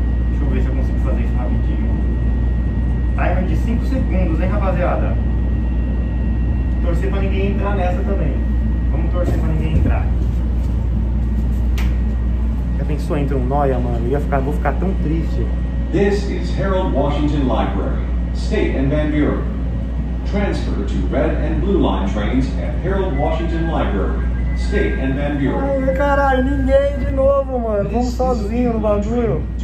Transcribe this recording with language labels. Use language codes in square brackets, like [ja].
[pt] Deixa eu ver se eu consigo fazer isso rapidinho. Timer de 5 segundos, hein, rapaziada? Torcer pra ninguém entrar nessa também. Vamos torcer pra ninguém entrar. Já pensou, entra um nóia, mano? Vou ficar tão triste. [en] This is Harold Washington Library, State and Van Buren. Transfer to Red and Blue Line trains at Harold Washington Library, State and Van Buren. [pt] Ai, caralho, ninguém de novo, mano. Vamos sozinho no bagulho.